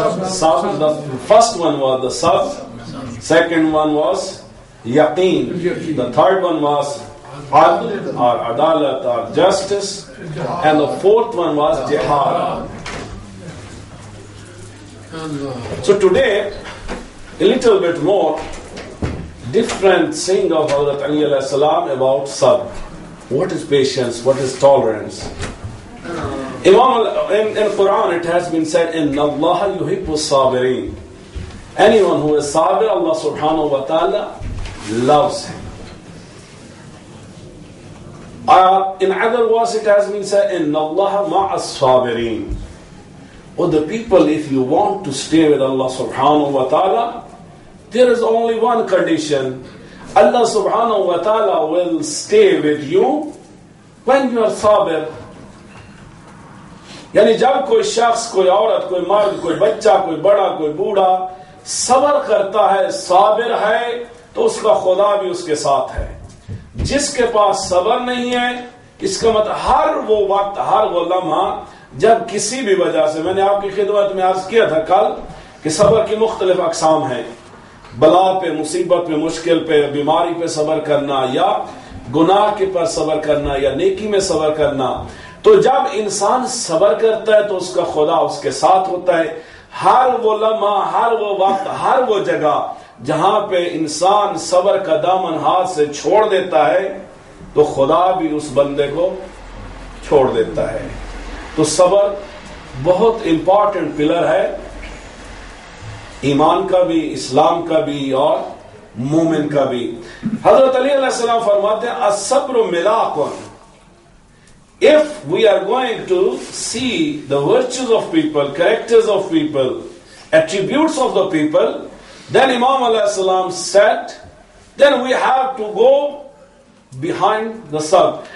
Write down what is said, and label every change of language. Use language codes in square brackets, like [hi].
[en] سب the first one was the سب، second one was یقین، دا تھرڈ ون واز عدل [ur] اور عدالت اور [en] Justice, and the fourth one was جہاد. So today a little bit more different saying of حضرت Ali علیہ السلام about سب، what is patience, what is tolerance. In Quran it has been said [ar] inna allaha yuhibbu as-sabirin, [en] anyone who is sabir Allah subhanahu wa ta'ala loves him. In other words it has been said [ar] inna allaha ma'a as-sabirin, [en] or the people, if you want to stay with Allah subhanahu wa ta'ala there is only one condition: Allah subhanahu wa ta'ala will stay with you when you are sabir. [ur] یعنی جب کوئی شخص، کوئی عورت، کوئی مرد، کوئی بچہ، کوئی بڑا، کوئی بوڑھا صبر کرتا ہے، صابر ہے، تو اس کا خدا بھی اس کے ساتھ ہے. جس کے پاس صبر نہیں ہے، اس کا مطلب ہر وہ وقت، ہر وہ لمحہ جب کسی بھی وجہ سے، میں نے آپ کی خدمت میں عرض کیا تھا کل کہ صبر کی مختلف اقسام ہیں، بلا پہ، مصیبت پہ، مشکل پہ، بیماری پہ صبر کرنا، یا گناہ کے پر صبر کرنا، یا نیکی میں صبر کرنا. تو جب انسان صبر کرتا ہے تو اس کا خدا اس کے ساتھ ہوتا ہے، ہر وہ لمحہ، ہر وہ وقت، ہر وہ جگہ جہاں پہ انسان صبر کا دامن ہاتھ سے چھوڑ دیتا ہے تو خدا بھی اس بندے کو چھوڑ دیتا ہے. تو صبر بہت امپورٹنٹ پلر ہے ایمان کا بھی، اسلام کا بھی، اور مومن کا بھی. حضرت علی علیہ السلام فرماتے ہیں الصبر Malakand. [en] If we are going to see the virtues of people, characters of people, attributes of the people, then Imam Alayhi Salaam said, then we have to go behind the sabr.